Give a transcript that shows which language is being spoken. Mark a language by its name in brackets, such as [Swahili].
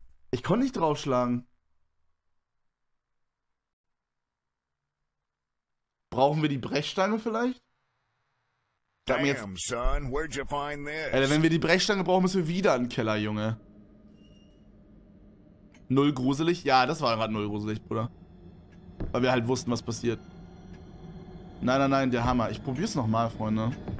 [German] Ich konnte nicht draufschlagen. Brauchen wir die Brechstange vielleicht? [English] Damn, son, where'd you find this? [German] Alter, wenn wir die Brechstange brauchen, müssen wir wieder in den Keller, Junge. Null gruselig? Ja, das war gerade null gruselig, Bruder. Weil wir halt wussten, was passiert. Nein, nein, nein, der Hammer. Ich probier's nochmal, Freunde.